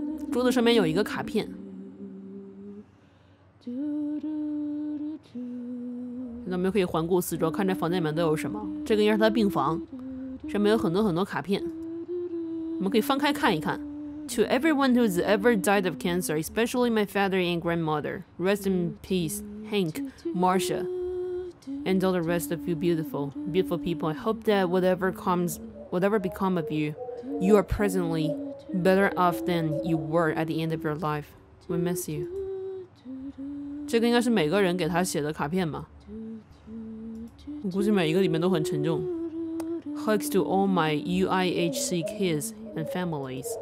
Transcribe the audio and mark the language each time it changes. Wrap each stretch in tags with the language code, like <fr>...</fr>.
<zh>桌子上面有一个卡片。那我们可以环顾四周，看这房间里面都有什么。这个应该是他病房，上面有很多很多卡片，我们可以翻开看一看。</zh> <en>To everyone who's ever died of cancer, especially my father and grandmother, rest in peace, Hank, Marcia, and all the rest of you beautiful, beautiful people. I hope that whatever become of you, you are presently better off than you were at the end of your life. We miss you.</en> <zh>这个应该是每个人给他写的卡片吧。我估计每一个里面都很沉重。</zh> <en>Hugs to all my UIHC kids and families.</en>